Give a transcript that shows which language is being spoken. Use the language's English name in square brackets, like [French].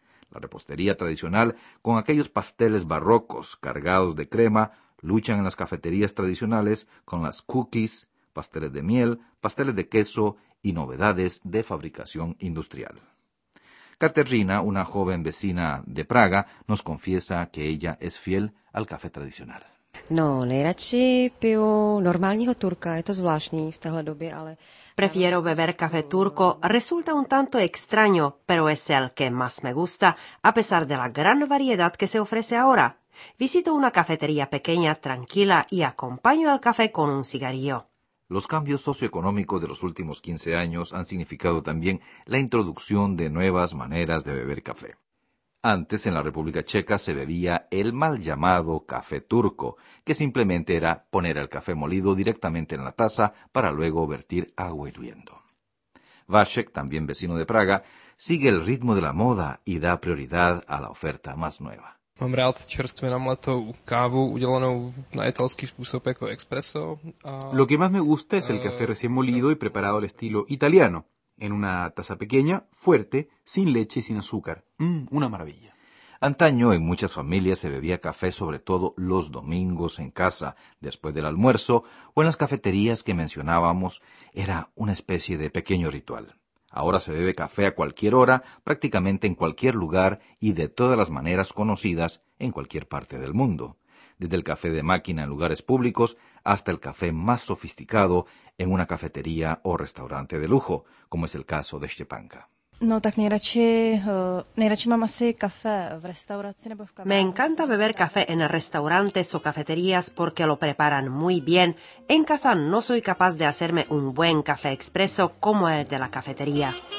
[Spanish] La repostería tradicional, con aquellos pasteles barrocos cargados de crema, luchan en las cafeterías tradicionales con las cookies, pasteles de miel, pasteles de queso y novedades de fabricación industrial. Katerina, una joven vecina de Praga, nos confiesa que ella es fiel al café tradicional. [Czech] No, nejradši piju normálního turka, je to zvláštní v téhle době, ale... [Spanish] Prefiero beber café turco, resulta un tanto extraño, pero es el que más me gusta, a pesar de la gran variedad que se ofrece ahora. Visito una cafetería pequeña, tranquila, y acompaño el café con un cigarrillo. Los cambios socioeconómicos de los últimos 15 años han significado también la introducción de nuevas maneras de beber café. Antes, en la República Checa, se bebía el mal llamado café turco, que simplemente era poner el café molido directamente en la taza para luego vertir agua hirviendo. Vášek, también vecino de Praga, sigue el ritmo de la moda y da prioridad a la oferta más nueva. [Czech] Mám rád čerstvě namletou kávu udělanou na italský způsob jako espresso. [Spanish] Lo que más me gusta es el café recién molido y preparado al estilo italiano. En una taza pequeña, fuerte, sin leche y sin azúcar. Una maravilla. Antaño, en muchas familias se bebía café sobre todo los domingos en casa, después del almuerzo, o en las cafeterías que mencionábamos, era una especie de pequeño ritual. Ahora se bebe café a cualquier hora, prácticamente en cualquier lugar y de todas las maneras conocidas en cualquier parte del mundo. Desde el café de máquina en lugares públicos hasta el café más sofisticado en una cafetería o restaurante de lujo, como es el caso de Štěpánka. [Czech] No, tak nejradši mám asi kafe v restauraci nebo v kavárně. [Spanish] Me encanta beber café en restaurantes o cafeterías porque lo preparan muy bien. En casa no soy capaz de hacerme un buen café expreso como el de la cafetería.